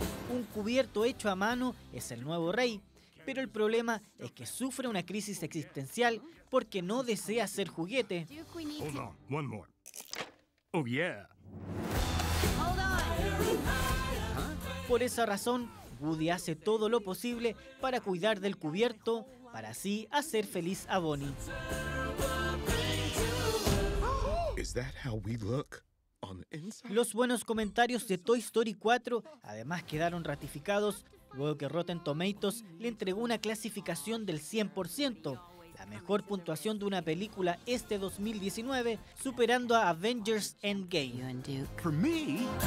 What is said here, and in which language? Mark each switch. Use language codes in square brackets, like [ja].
[es] Un cubierto hecho a mano es el nuevo rey, pero el problema es que sufre una crisis existencial porque no desea ser juguete. [en] Hold on, one more. Oh yeah. Hold on. [es] Por esa razón, Woody hace todo lo posible para cuidar del cubierto, para así hacer feliz a Bonnie. [en] Is that how we look on the inside? [es] Los buenos comentarios de Toy Story 4 además quedaron ratificados luego que Rotten Tomatoes le entregó una clasificación del 100%, la mejor puntuación de una película este 2019, superando a Avengers Endgame. [en] You and Duke. For me.